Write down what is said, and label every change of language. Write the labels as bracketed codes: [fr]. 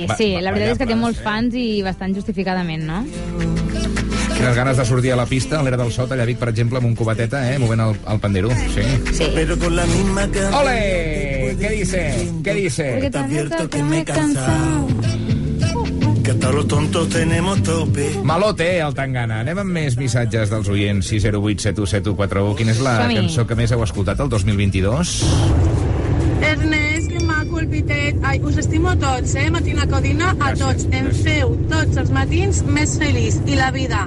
[ca] sí, la veritat és que té molts fans i bastant justificadament, no? Quines ganes de sortir a la pista, a l'era del sot, allà Vic, per exemple, amb un cubateta, movent el pandero. Sí. Sí. [es] Però con la misma canción... ¡Olé! ¿Qué dice? ¿Qué dice? Porque te advierto que me he cansado. Que todos los tontos tenemos tope. Malote, el Tangana. [ca] Anem amb més missatges dels oients. 608-7171-41. Quina és la cançó que més heu escoltat el 2022? Ernest, que maco el pitet. Ai, us estimo tots, Matina Codina, a tots. Em feu tots els matins més feliç i la vida,